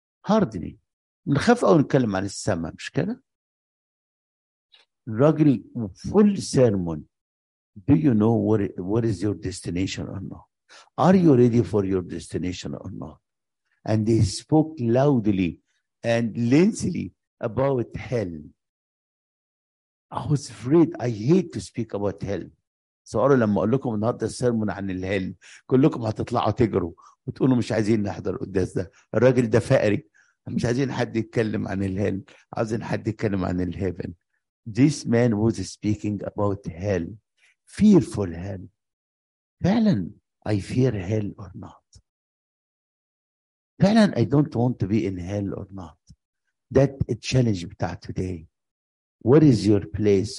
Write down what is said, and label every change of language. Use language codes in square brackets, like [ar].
[en] hardly [ar] نخاف او نتكلم عن السماء, مش كده؟ الراجل [en] full sermon, do you know what is your destination or not, are you ready for your destination or not, and he spoke loudly and lengthily about hell. I was afraid, I hate to speak about hell. [ar] صاروا لما اقول لكم النهارده السيرمون عن الهل كلكم هتطلعوا تجروا وتقولوا مش عايزين نحضر القداس ده, الراجل ده فقري, مش عايزين حد يتكلم عن الهل, عايزين حد يتكلم عن الهيفن. [en] This man was speaking about hell, fearful hell. فعلا I fear hell or not, فعلا I don't want to be in hell or not. That a challenge بتاع today. What is your place?